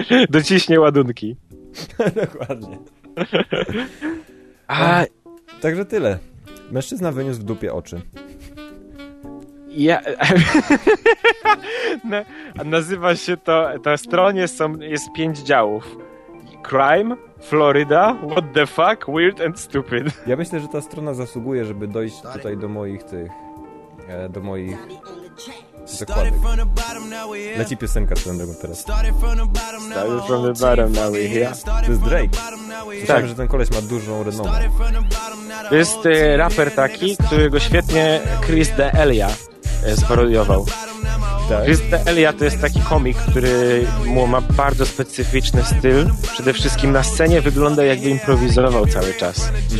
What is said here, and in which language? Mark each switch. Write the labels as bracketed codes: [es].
[pl] Dociśnie ładunki. Dokładnie. Także tyle. Mężczyzna wyniósł w dupie oczy. Ja... Nazywa się to, na stronie jest 5 działów. [en] Crime, Florida, what the fuck, weird and stupid. [pl] Ja myślę, że ta strona zasługuje, żeby dojść tutaj do moich tych, do moich zakładek. Leci piosenka, co będę teraz. [en] Started from the bottom, now we're here. [pl] To jest Drake. Słyszałem, tak, że ten koleś ma dużą renomę. To jest raper taki, którego świetnie Chris D'Elia sparodiował. Tak. Chris D'Elia to jest taki komik, który ma bardzo specyficzny styl. Przede wszystkim na scenie wygląda, jakby improwizował cały czas.